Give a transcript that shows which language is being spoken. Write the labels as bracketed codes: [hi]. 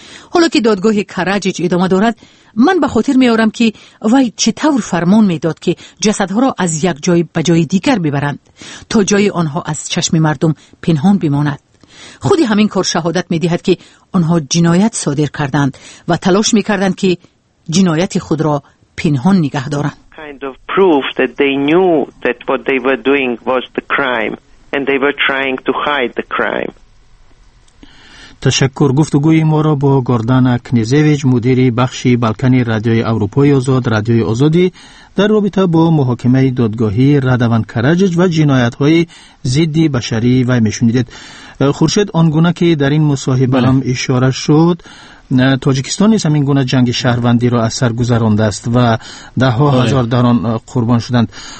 [fa] حالا که دادگاه کراجیج ادامه دارد، من به خاطر می آورم که وای چطور فرمان می داد که جسدها را از یک جای به جای دیگر ببرند تا جای آنها از چشم مردم پنهان بماند. خودی همین کار شهادت می دهد که آنها جنایت صادر کردند و تلاش می کردند که جنایت خود را پنهان نگه دارند. [en] Kind of proof that they knew that what they were doing was the crime and they were trying to hide the crime. [fa] تشکر. گفتگوی ما را با گوردانا کنیزویچ مدیر بخش بالکان رادیوی اروپای آزاد رادیوی آزادی در رابطه با محاکمه دادگاهی رادوان کراجیج و جنایت‌های ضد بشری و میشنیدید. خورشید، آنگونه که در این مصاحبه هم اشاره شد، تاجیکستان نیز همین گونه جنگ شهروندی را از سر گذرانده است و ده ها هزار در آن قربان شدند.